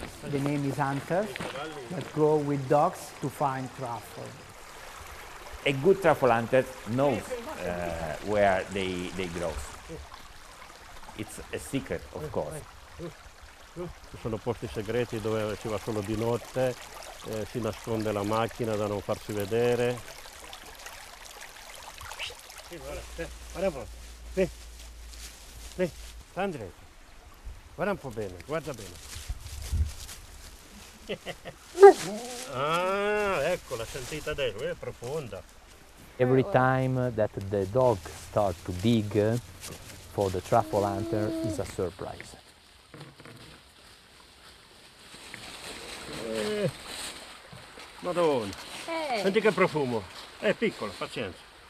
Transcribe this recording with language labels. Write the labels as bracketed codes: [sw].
[en] The name is hunters that go with dogs to find truffle. A good truffle hunter knows where they grow. It's a secret, of course. [it] Ci sono posti segreti dove si va solo di notte, si nasconde la macchina da non farsi vedere. Guarda un po', lì, lì, Sandre, guarda un po' bene, guarda bene. Ah, ecco, l'ha sentita adesso, è profonda. [en] Every time that the dog starts to dig for the truffle hunter is a surprise. [it] Madonna, senti che profumo, è piccolo, pazienza.